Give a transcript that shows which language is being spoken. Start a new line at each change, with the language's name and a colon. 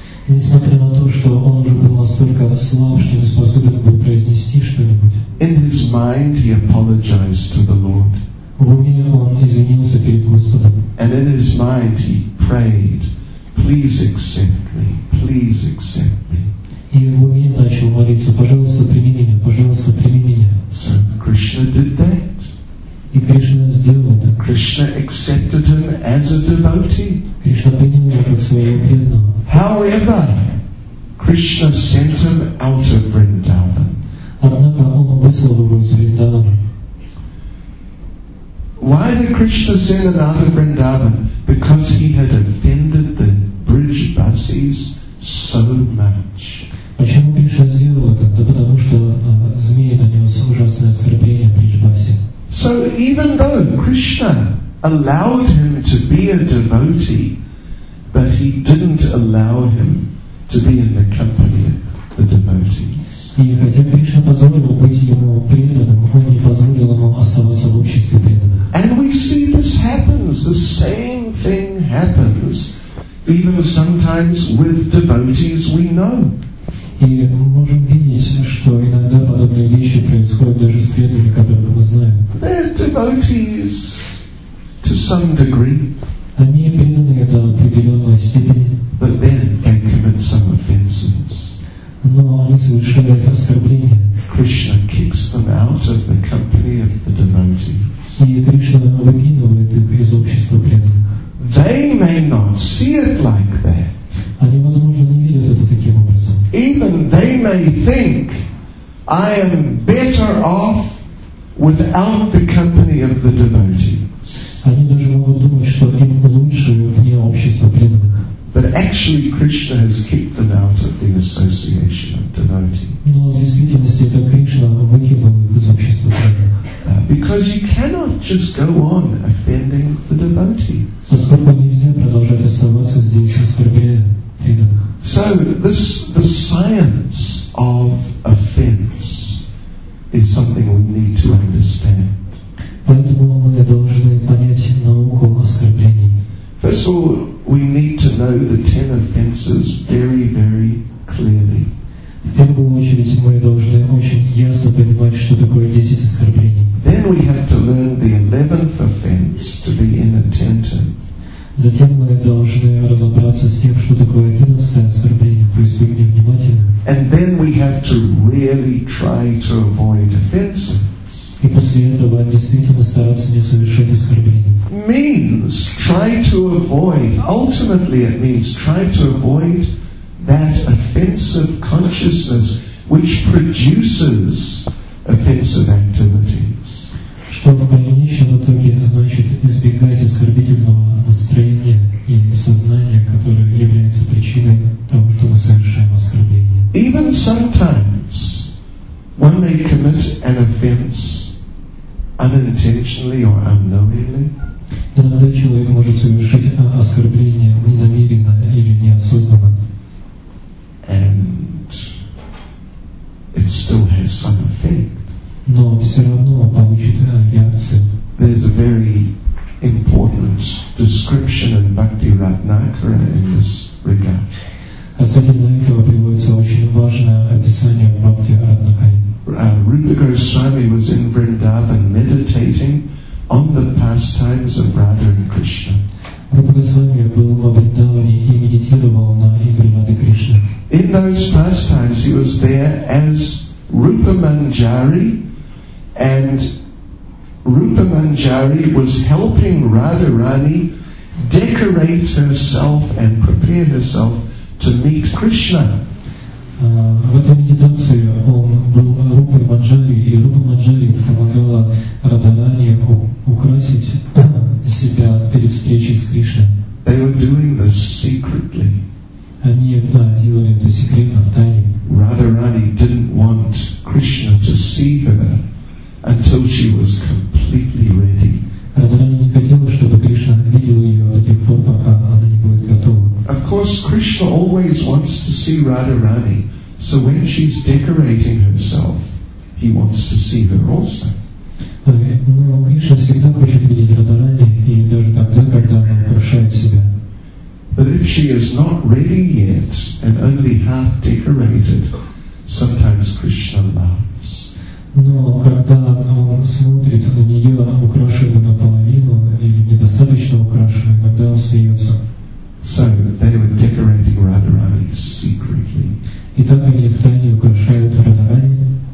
Russian: И несмотря на то, что он уже был настолько слаб, что не способен был произнести что-нибудь.
English: In his mind he apologized to the Lord.
Russian: В уме он извинился перед Господом.
English: And in his mind he prayed, please accept me, please accept me.
Russian: И в уме начал молиться, пожалуйста, прими меня, пожалуйста, прими меня.
English: So Krishna did that.
Russian: И Кришна сделал это.
English: Krishna accepted him as a devotee.
Russian: Кришна принял его как своего преданного.
English: However, Krishna sent him out of Vrindavan.
Russian: Однако он выслал его из Вриндавана.
English: Why did Krishna send him out of Vrindavan? Because he had offended the Brijbasis so much.
Russian: Почему Кришна сделал это? Да потому что змеи нанес ужасное оскорбление Бриджбаси.
English: So even though Krishna allowed him to be a devotee, but he didn't allow him to be in the company of the devotees.
Russian: И хотя Кришна позволил быть ему преданным, он не позволил ему оставаться в обществе преданных.
English: And we see this happens, the same thing happens, even sometimes with devotees we know.
Russian: И мы можем видеть, что иногда подобные вещи происходят даже с преданными, которых мы знаем.
English: Devotees, to some degree.
Russian: Они преданы до определенной степени.
English: But then they commit some offenses.
Russian: Но они совершают оскорбления.
English: Krishna kicks them out of the company of the devotees.
Russian: И Кришна выкидывает их из общества преданных.
English: They may not see it like that.
Russian: Они, возможно, не видят это таким образом.
English: Even they may think, I am better off without the company of the devotees.
Russian: Они даже могут думать, что им лучше вне общества преданных.
English: But actually, Krishna has kicked them out of the association of devotees.
Russian: Но в действительности это Кришна выкинул их из общества преданных.
English: Because you cannot just go on offending the devotees.
Russian: Поскольку нельзя продолжать оставаться здесь, оскорбляя преданных.
English: So this, the science of offense is something we need to understand.
Russian: Поэтому мы должны понять науку оскорблений.
English: First of all, we need to know the 10 offenses very, very clearly.
Russian: В первую очередь мы должны очень ясно понимать, что такое 10 оскорблений.
English: Then we have to learn the 11th offense to be inattentive.
Russian: Затем мы должны разобраться с тем, что такое 11 оскорбление, то есть быть невнимательным.
English: And then we have to really try to avoid offenses.
Russian: И после этого действительно стараться не совершать оскорблений.
English: Means try to avoid. Ultimately, it means try to avoid that offensive consciousness which produces offensive activities.
Russian: Что в конечном итоге значит избегать оскорбительного настроения и сознания, которое является причиной того, что мы совершаем оскорбление.
English: Even sometimes one may commit an offense unintentionally or unknowingly.
Russian: Иногда человек может совершить оскорбление ненамеренно или неосознанно.
English: And it still has some effect.
Russian: Но все равно получит реакцию.
English: There's a very important description in Bhakti Ratnakara in this regard.
Russian: Особенно этого приводится очень важное описание в Бхакти Ратнакаре.
English: Rupa Goswami was in Vrindavan meditating on the pastimes of Radha and Krishna.
Russian: Rupa Goswami был во Вриндаване и медитировал на игры Рады Кришны.
English: In those pastimes he was there as Rupa Manjari, and Rupa Manjari was helping Radha Rani decorate herself and prepare herself to meet Krishna.
Russian: В этой медитации он был Рупой Манджари, и Рупа Манджари помогала Радхарани украсить себя перед встречей с Кришной.
English: They were doing this secretly.
Russian: Они это делали это секретно, в тайне.
English: Радхарани didn't want Krishna to see her until she was completely ready.
Russian: Радхарани не хотела, чтобы Кришна видел ее до тех пор, пока она не будет готова.
English: Of course, Krishna always wants to see Radharani. So when she's decorating herself, he wants to see her also.
Russian: Но Кришна всегда хочет видеть Радхарани, и даже тогда, когда она украшает себя.
English: But if she is not ready yet and only half decorated, sometimes Krishna laughs.
Russian: Но когда он смотрит на нее, украшенную наполовину или недостаточно украшенную, иногда он смеется.
English: So they were decorating Radharani secretly.
Russian: Итак, они втайне украшают Радхарани.